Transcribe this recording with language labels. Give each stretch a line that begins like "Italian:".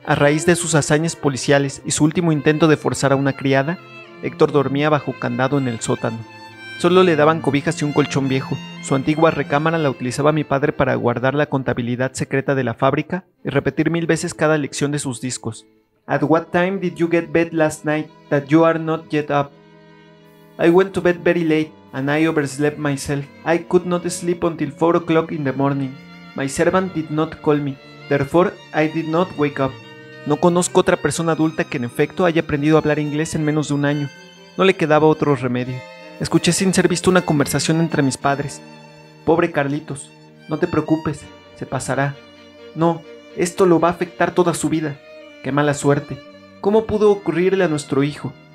Spanish: A raíz de sus hazañas policiales y su último intento de forzar a una criada, Héctor dormía bajo candado en el sótano. Solo le daban cobijas y un colchón viejo. Su antigua recámara la utilizaba mi padre para guardar la contabilidad secreta de la fábrica y repetir mil veces cada lección de sus discos.
English: At what time did you get bed last night that you are not yet up? I went to bed very late and I overslept myself. I could not sleep until 4 o'clock in the morning. My servant did not call me. Therefore, I did not wake up.
Spanish: No conozco otra persona adulta que en efecto haya aprendido a hablar inglés en menos de un año. No le quedaba otro remedio. Escuché sin ser visto una conversación entre mis padres. Pobre Carlitos, no te preocupes, se pasará. No, Esto lo va a afectar toda su vida. Qué mala suerte. ¿Cómo pudo ocurrirle a nuestro hijo?